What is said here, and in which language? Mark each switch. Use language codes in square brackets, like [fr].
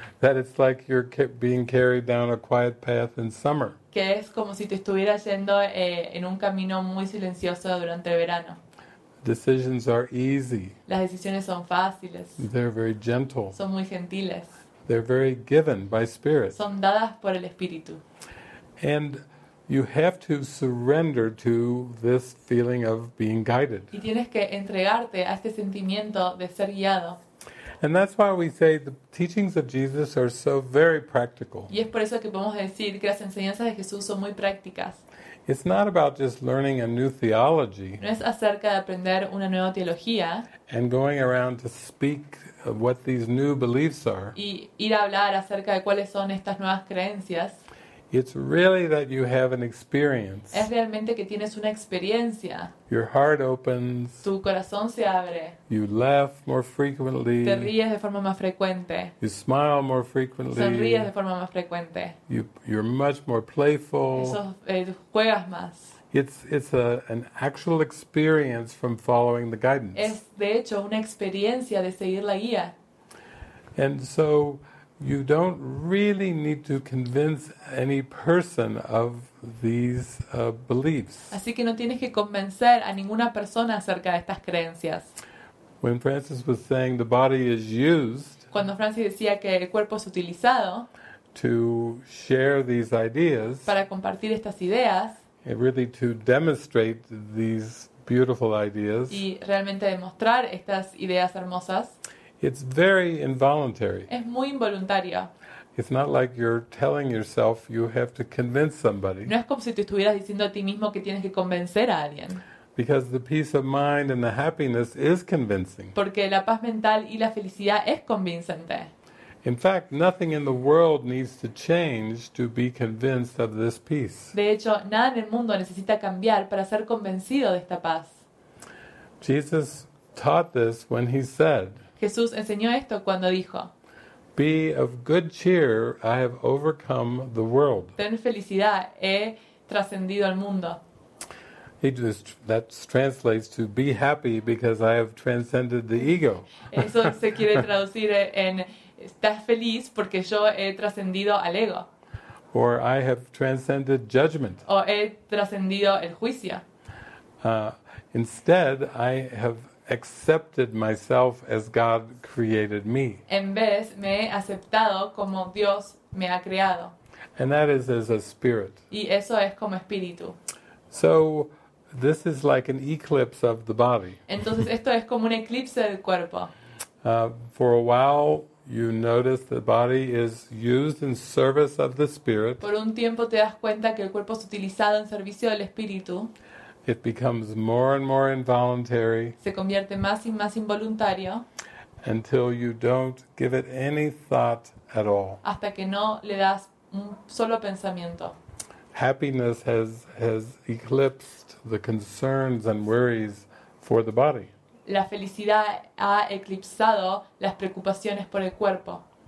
[en] That it's like you're being carried down a quiet path in summer. [es] Que es como si te estuvieras yendo en un camino muy silencioso durante el verano. [en] Decisions are easy. [es] Las decisiones son fáciles. [en] They're very gentle. [es] Son muy gentiles. [en] They're very given by Spirit. [es] Son dadas por el Espíritu. [en] And you have to surrender to this feeling of being guided. [es] Y tienes que entregarte a este sentimiento de ser guiado. [en] And that's why we say the teachings of Jesus are so very practical. [es] Y es por eso que podemos decir que las enseñanzas de Jesús son muy prácticas. [en] It's not about just learning a new theology. [es] No es acerca de aprender una nueva teología. [en] And going around to speak of what these new beliefs are. [es] Y ir a hablar acerca de cuáles son estas nuevas creencias. [en] It's really that you have an experience. [es] Es realmente que tienes una experiencia. [en] Your heart opens. [es] Tu corazón se abre. [en] You laugh more frequently. [es] Te ríes de forma más frecuente. [en] You smile more frequently. [es] Sonríes de forma más frecuente. [en] You're much more playful. [es] Juegas más. [en] It's an actual experience from following the guidance. [es] Es de hecho una experiencia de seguir la guía. [en] And so you don't really need to convince any person of these beliefs. [es] Así que no tienes que convencer a ninguna persona acerca de estas creencias. [en] When Francis was saying the body is used. [es] Cuando Francis decía que el cuerpo es utilizado. [en] To share these ideas. [es] Para compartir estas ideas. [en] And really to demonstrate these beautiful ideas. [es] Y realmente demostrar estas ideas hermosas. [en] It's very involuntary. [es] Es muy involuntario. [en] It's not like you're telling yourself you have to convince somebody. [es] No es como si te estuvieras diciendo a ti mismo que tienes que convencer a alguien. [en] Because the peace of mind and the happiness is convincing. [es] Porque la paz mental y la felicidad es convincente. [en] In fact, nothing in the world needs to change to be convinced of this peace. [es] De hecho, nada en el mundo necesita cambiar para ser convencido de esta paz. [en] Jesus taught this when he said. [es] Jesús enseñó esto cuando dijo: [en] Be of good cheer, I have overcome the world. [es] Ten felicidad, he trascendido al mundo. [en] That translates to be happy because I have transcended the ego. [es] Eso se quiere traducir en estás feliz porque yo he trascendido al ego. [en] Or I have transcended judgment. [es] O he trascendido el juicio. [en] Instead, I have accepted myself as God created me. [es] En vez, me he aceptado como Dios me ha creado. [en] And that is as a spirit. [es] Y eso es como espíritu. [en] So this is like an eclipse of the body. [es] Entonces esto es como un eclipse del cuerpo. [en] For a while, you notice the body is used in service of the spirit. [es] Por un tiempo te das cuenta que el cuerpo es utilizado en servicio del espíritu. [en] It becomes more and more involuntary. [es] Se convierte más y más involuntario. [en] Until you don't give it any thought at all. [es] Hasta que no le das un solo pensamiento. [en] Happiness has eclipsed the concerns and worries for the body. [es] La felicidad ha eclipsado las preocupaciones por el cuerpo.